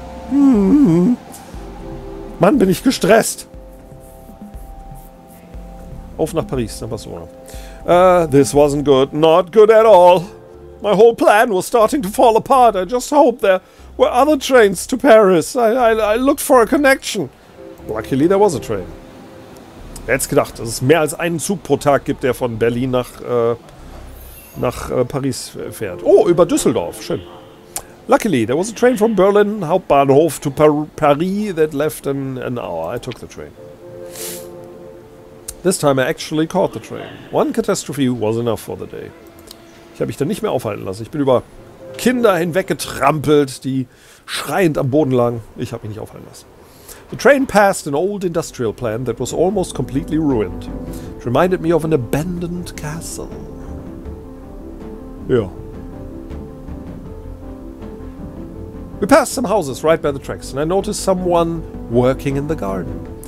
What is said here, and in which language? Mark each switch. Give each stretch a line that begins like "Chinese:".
German: Mann, bin ich gestresst! Auf nach Paris, dann war's ohne.
English: This wasn't good. Not good at all. My whole plan was starting to fall apart. I just hoped there were other trains to Paris. I looked for a connection. Luckily, there was a train.
German: Wer hätte es gedacht, dass es mehr als einen Zug pro Tag gibt, der von Berlin nach Paris fährt. Oh, über Düsseldorf. Schön.
English: Luckily, there was a train from Berlin Hauptbahnhof to Paris that left in an hour. I took the train. This time I actually caught the train. One catastrophe was enough for the day.
German: Ich habe mich dann nicht mehr aufhalten lassen. Ich bin über Kinder hinweggetrampelt, die schreiend am Boden lagen. Ich habe mich nicht aufhalten lassen.
English: The train passed an old industrial plant that was almost completely ruined. It reminded me of an abandoned castle. Yeah. We passed some houses right by the tracks, and I noticed someone working in the garden.